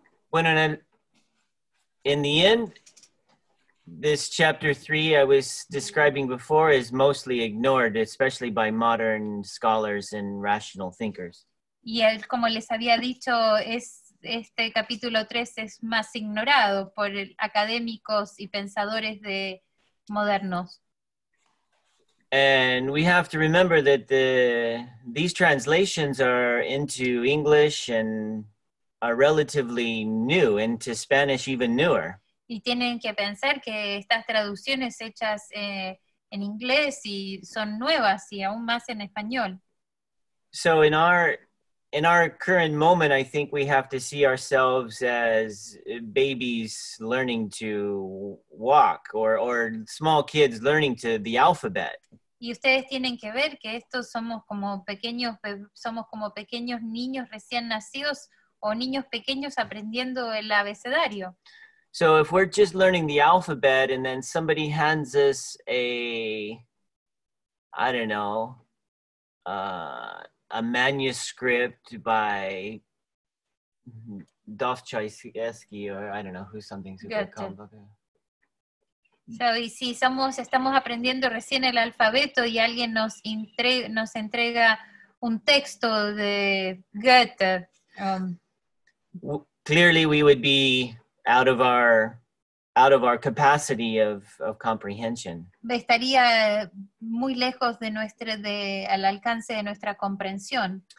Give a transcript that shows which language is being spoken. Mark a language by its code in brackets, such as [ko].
[en] Bueno, in the end, this chapter 3 I was describing before is mostly ignored, especially by modern scholars and rational thinkers. [es] Y él, como les había dicho, este capítulo 3 es más ignorado por académicos y pensadores modernos. [en] And we have to remember that these translations are into English and are relatively new, into Spanish even newer. [es] Y tienen que pensar que estas traducciones hechas en inglés y son nuevas y aún más en español. [en] So in our current moment, I think we have to see ourselves as babies learning to walk or small kids learning to the alphabet. [es] Y ustedes tienen que ver que estos somos como pequeños niños recién nacidos o niños pequeños aprendiendo el abecedario. [en] So if we're just learning the alphabet and then somebody hands us a manuscript by Dostoevsky or I don't know who something's a good comic book. [es] Estamos aprendiendo recién el alfabeto y alguien nos entrega un texto de Goethe. [en] Clearly we would be out of our capacity of comprehension. [es] Estaría muy lejos al alcance de nuestra comprensión.